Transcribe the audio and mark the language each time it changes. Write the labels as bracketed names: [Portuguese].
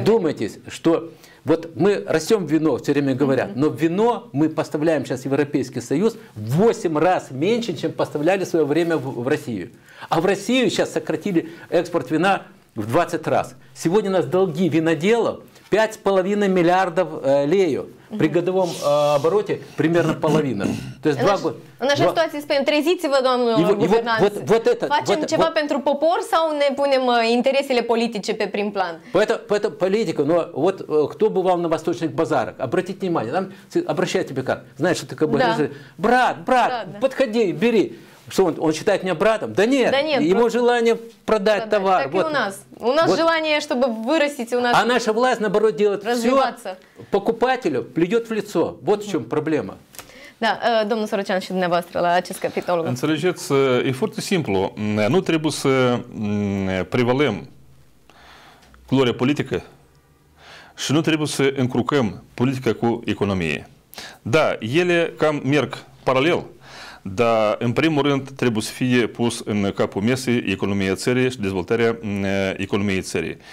[Russian] Вдумайтесь, что вот мы растем вино, все время говорят, но вино мы поставляем сейчас в Европейский Союз в 8 раз меньше, чем поставляли в свое время в Россию. А в Россию сейчас сократили экспорт вина в 20 раз. Сегодня у нас долги виноделов 5,5 миллиардов лею. При годовом обороте примерно половина. То есть два года. У нас же ситуация с транзицией, доамна губернатор. [Romanian] Facem ceva pentru popor sau ne punem interesele politice pe prim plan? [Russian] Поэтому политика, но вот кто бывал на восточных базарах, обратите внимание, там обращают тебя как? Знаешь, что ты как бы... Брат, подходи, бери. Что он считает меня братом? Да нет, ему просто... желание продать товар. Так вот. И у нас. У нас вот. Желание, чтобы вырастить у нас. А наша власть, наоборот, делает все покупателю, плюет в лицо. Вот в чем проблема. [Romanian] Da, domnul Sorocean și dumneavoastră la acest capitol. Înțelegeți, e foarte simplu. Nu trebuie să prevalăm culoarea politică și nu trebuie să încurcăm politica cu economie. Da, ele cam merg paralel. Dar, în primul rând, trebuie să fie pus în capul mesei economia țării și dezvoltarea economiei țării.